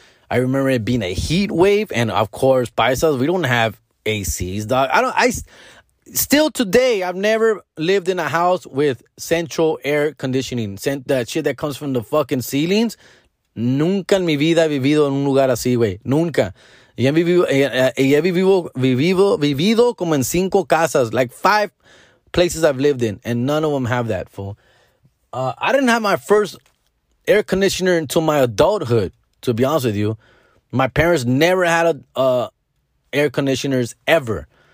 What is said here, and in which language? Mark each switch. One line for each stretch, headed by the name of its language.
English: I remember it being a heat wave. And, of course, paisas, we don't have ACs, dog. Still today, I've never lived in a house with central air conditioning. That shit that comes from the fucking ceilings.
Spanish: Nunca en mi vida he vivido en un lugar así, güey. Nunca. Y he vivido como en cinco casas,
English: like five places I've lived in, and none of them have that, fool. I didn't have my first air conditioner until my adulthood, to be honest with you. My parents never had air conditioners ever.